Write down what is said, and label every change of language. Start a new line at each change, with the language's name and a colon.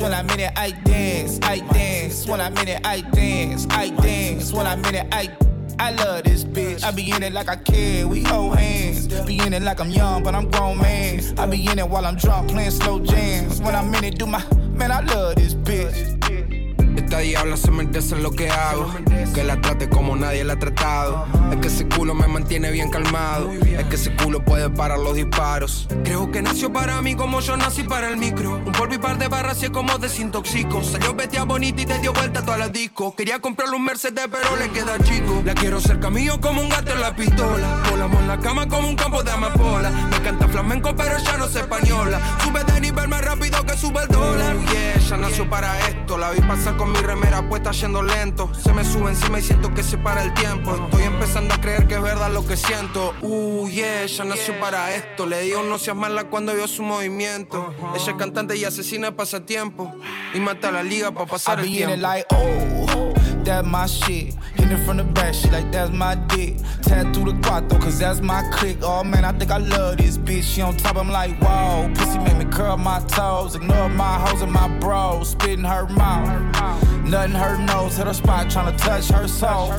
English: When I'm in it, I dance. I dance. When I'm in it, I dance. I dance. When I'm in it, I love this bitch. I be in it like I care, we hold hands. Be in it like I'm young, but I'm grown man. I be in it while I'm drunk, playing slow jams. When I'm in it, do my, man, I love this bitch.
Spanish: Esta diabla se merece lo que hago. Que la trate como nadie la ha tratado. Es que ese culo me mantiene bien calmado. Es que ese culo puede parar los disparos. Creo que nació para mí como yo nací para el micro. Un polvo y par de barras y es como desintoxico. Salió bestia bonita y te dio vuelta a todas las discos. Quería comprarle un Mercedes pero le queda chico. La quiero cerca mío como un gato en la pistola. Volamos en la cama como un campo de amapola. Me canta flamenco pero ya no es española. Sube de nivel más rápido que sube el dólar. Yeah, ella nació para esto. La vi pasar con mi remera puesta yendo lento. Se me sube encima y siento que se para el tiempo. Estoy empezando a creer que es verdad lo que siento. Yeah, ella nació para esto. Le digo no seas mala cuando vio su movimiento. Ella es cantante y asesina de pasatiempo. Y mata a la liga para pasar el tiempo.
English: I be in it like, oh, that's my shit. Hitting from the back, she like, that's my dick. Tattoo the cuatro, cause that's my click. Oh man, I think I love this bitch. She on top, I'm like, whoa. Pussy make me curl my toes. Ignore my hoes and my bros. Spitting her mouth. Nothing her nose, hit her spot, tryna touch her soul.